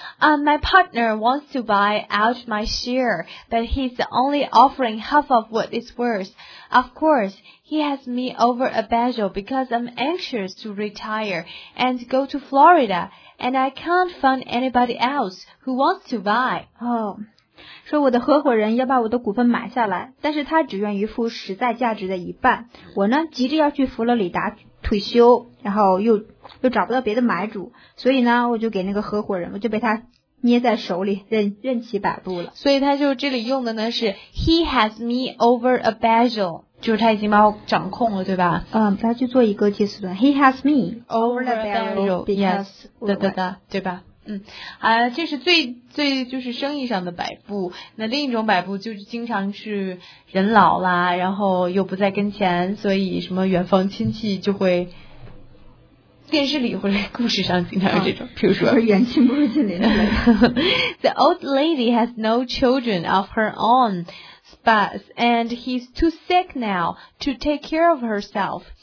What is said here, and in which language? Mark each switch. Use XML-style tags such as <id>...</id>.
<en>My partner wants to buy out my share, but he's only offering half of what it's worth. Of course, he has me over a barrel because I'm anxious to retire and go to Florida, and I can't find anybody else who wants to buy.</en> <zh>说我的合伙人要把我的股份买下来，但是他只愿意付实在价值的一半。我呢，急着要去佛罗里达退休，然后又找不到别的买主，所以呢，我就给那个合伙人，我就被他捏在手里，任其摆布了。所以他就这里用的呢是</zh> <en>he has me over a barrel，</en> <zh>就是他已经把我掌控了，对吧？他去做一个介词短</zh> <en>he has me over a barrel， yes，</en> <zh>对吧？这是最就是生意上的摆布。那另一种摆布就是经常是人老啦，然后又不在跟前，所以什么远方亲戚就会电视里或者故事上经常有这种，比如说远亲不如近邻。</zh> <en>The old lady has no children of her own, but and he's too sick now to take care of herself.</en>